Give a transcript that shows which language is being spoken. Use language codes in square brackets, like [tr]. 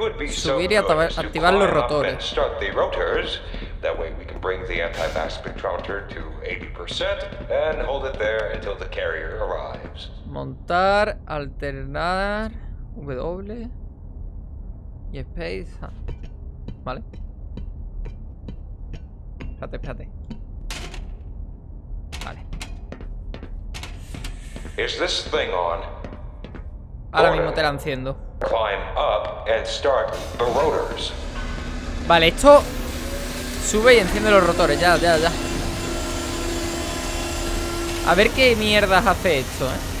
[es] Subir y activar los rotores. [en] That way we can bring the anti-mass spectrometer to 80% and hold it there until the carrier arrives. [es] Montar, alternar, W. Y space. Ah. Vale. Espérate, espérate. Vale. [en] Is this thing on? [es] Ahora mismo te la enciendo. [en] Climb up and start the rotors. [es] Vale, esto sube y enciende los rotores. Ya, ya, ya. A ver qué mierdas hace esto, ¿eh?